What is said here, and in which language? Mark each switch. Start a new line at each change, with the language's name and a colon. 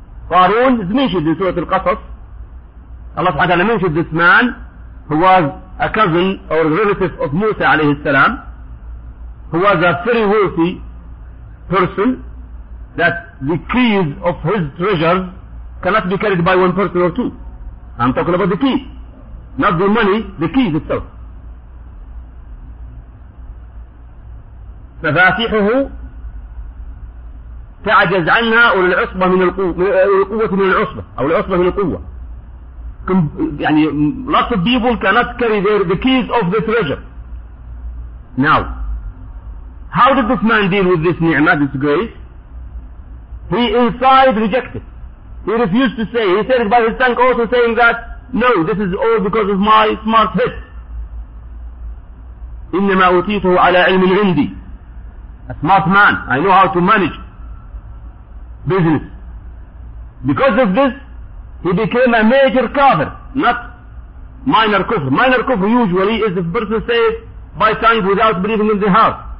English: Qarun is mentioned in Surah Al-Qasas. Allah subhanahu wa ta'ala mentioned this man who was a cousin or relative of Musa alayhi salam, who was a very wealthy person, that the keys of his treasures cannot be carried by one person or two. I'm talking about the key, not the money, the keys itself.
Arabic: مفاتيحه تعجز عنها والعصبة من القوة من العصبة أو العصبة من القوة.
English: يعني lots of people cannot carry the keys of the treasure. Now, how did this man deal with this ni'mah, this grace? He inside rejected. He refused to say. He said it by his tongue also, saying that no, this is all because of my smart head.
Arabic: إنما أوتيته على علم عندي.
English: A smart man, I know how to manage business. Because of this, he became a major kafir, not minor kufr. Minor kufr usually is if a person says by tongue without believing in the heart.